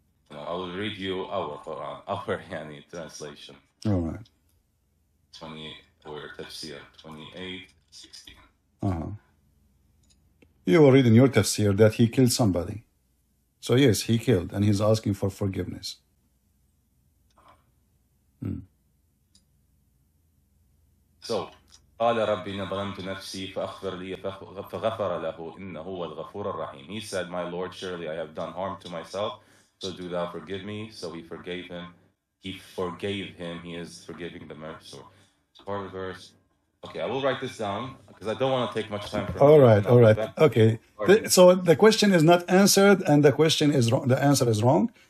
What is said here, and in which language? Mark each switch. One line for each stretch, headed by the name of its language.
English: No, I will read you our Quran, our Yani translation. All right. 28, or tafsir, 28:16. Uh-huh. You will read in your tafsir that he killed somebody. So yes, he killed, and he's asking for forgiveness.
Arabic: So, قال ربي نظلمت نفسي فأغفر لي فغفر له إنه هو الغفور الرحيم.
English: He said, my Lord, surely I have done harm to myself, so do thou forgive me. So he forgave him. He forgave him. He is forgiving the mercy. Part of verse. Okay, I will write this down because I don't want to take much time. All right. Okay. So the question is not answered, and the question is wrong. The answer is wrong.